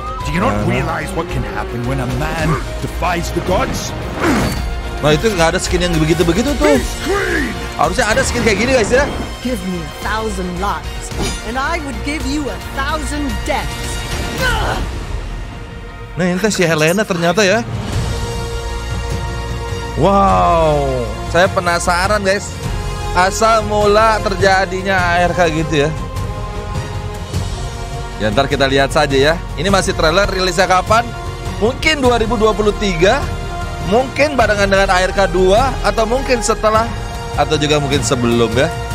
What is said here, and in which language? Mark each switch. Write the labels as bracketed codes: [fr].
[en] Do you not realize what can happen when a man defies the gods? [id] Nah, itu enggak ada skin yang begitu-begitu tuh. Harusnya ada skin kayak gini guys ya. [en] Give me a thousand lives and I would give you a thousand deaths. [id] Nah, ini si Helena ternyata ya. Wow, saya penasaran guys. Asal mula terjadinya ARK gitu ya. Ya ntar kita lihat saja ya. Ini masih trailer, rilisnya kapan? Mungkin 2023, mungkin barengan dengan ARK 2, atau mungkin setelah, atau juga mungkin sebelum ya.